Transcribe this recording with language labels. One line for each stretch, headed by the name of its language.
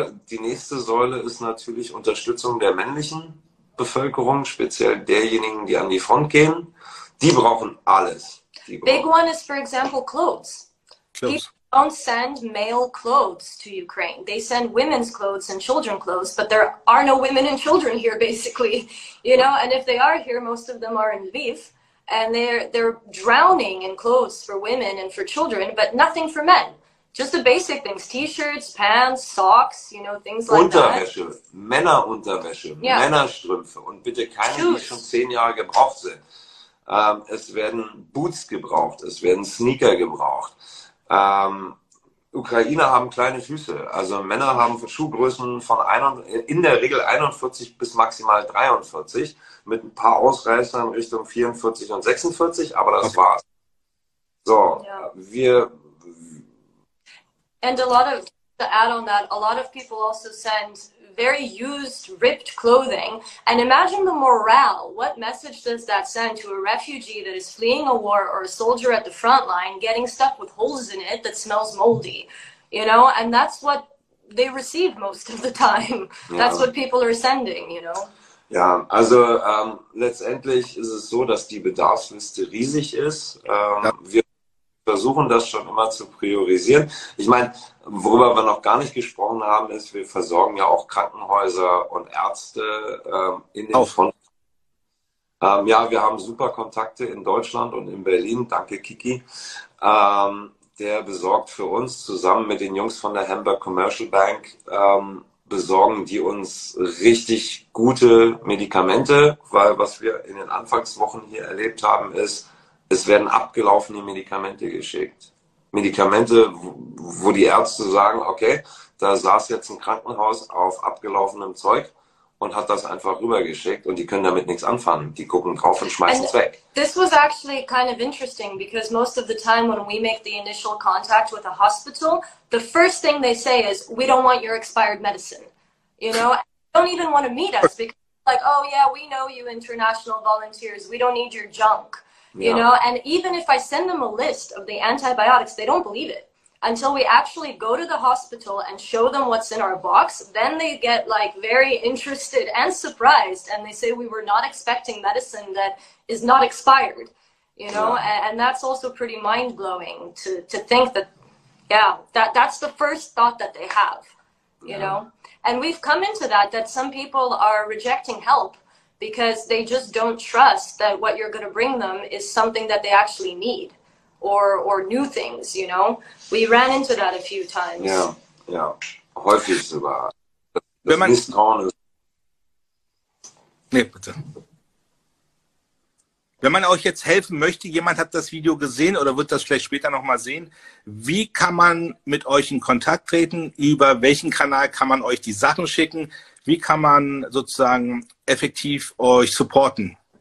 German: Die nächste Säule ist natürlich Unterstützung der männlichen Bevölkerung, speziell derjenigen, die an die Front gehen. Die brauchen alles.
English: Big one is, for example, clothes. People don't send male clothes to Ukraine. They send women's clothes and children clothes, but there are no women and children here, basically. You know, and if they are here, most of them are in Lviv. And they're drowning in clothes for women and for children, but nothing for men. Just the basic things, t-shirts, pants, socks, you know, things like
German: Unterwäsche, Männerunterwäsche, yeah. Männerstrümpfe und bitte keine, Shoes. Die schon 10 Jahre gebraucht sind. Es werden Boots gebraucht, es werden Sneaker gebraucht. Ukrainer haben kleine Füße, also Männer haben Schuhgrößen von in der Regel 41 bis maximal 43, mit ein paar Ausreißern Richtung 44 und 46, aber das war's.
English: So, yeah. And a lot of, to add on that, a lot of people also send very used, ripped clothing. And imagine the morale. What message does that send to a refugee that is fleeing a war or a soldier at the front line getting stuff with holes in it that smells moldy? You know, and that's what they receive most of the time. That's what people are sending, you know.
German: Ja, also letztendlich ist es so, dass die Bedarfsliste riesig ist. Wir versuchen das schon immer zu priorisieren. Ich meine, worüber wir noch gar nicht gesprochen haben, ist, wir versorgen ja auch Krankenhäuser und Ärzte in den Front. Ja, wir haben super Kontakte in Deutschland und in Berlin. Danke, Kiki. Der besorgt für uns zusammen mit den Jungs von der Hamburg Commercial Bank, besorgen die uns richtig gute Medikamente, weil was wir in den Anfangswochen hier erlebt haben, ist, es werden abgelaufene Medikamente geschickt. Medikamente, wo die Ärzte sagen, okay, da saß jetzt ein Krankenhaus auf abgelaufenem Zeug und hat das einfach rübergeschickt und die können damit nichts anfangen. Die gucken drauf und schmeißen es weg.
English: This was actually kind of interesting because most of the time when we make the initial contact with a hospital, the first thing they say is, we don't want your expired medicine. You know, they don't even want to meet us because like, oh yeah, we know you international volunteers. We don't need your junk. You know, and even if I send them a list of the antibiotics, they don't believe it until we actually go to the hospital and show them what's in our box. Then they get like very interested and surprised. And they say we were not expecting medicine that is not expired, you know, and that's also pretty mind blowing to think that, that's the first thought that they have, you know, and we've come into that some people are rejecting help. Because they just don't trust that what you're going to bring them is something that they actually need or new things, you know? We ran into that a few times.
German: Yeah, häufig sogar. Wenn man Misstrauen ist. Nee, bitte. Wenn man euch jetzt helfen möchte, jemand hat das Video gesehen oder wird das vielleicht später nochmal sehen, wie kann man mit euch in Kontakt treten? Über welchen Kanal kann man euch die Sachen schicken? Wie kann man sozusagen effektiv euch supporten?